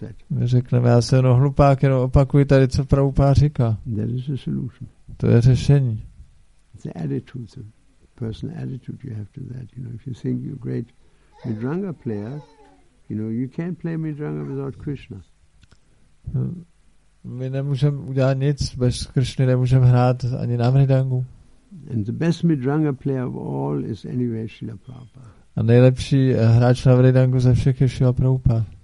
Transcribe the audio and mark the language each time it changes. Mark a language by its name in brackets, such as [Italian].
[Czech] My řekneme, já jsem jenom hlupák, jenom opakuji tady, co Prabhupada říká. To je řešení. [English] The attitude, the personal attitude you have to that. You know, if you think you're a great midranga player, you know, you can't play midranga without Krishna. [Czech] My nemůžeme udělat nic bez Krishny, nemůžeme hrát ani na midrangu. [English] And the best midranga player of all is anyway Srila Prabhupada. [Czech] A nejlepší hráč na midrangu ze všech je Srila Prabhupada.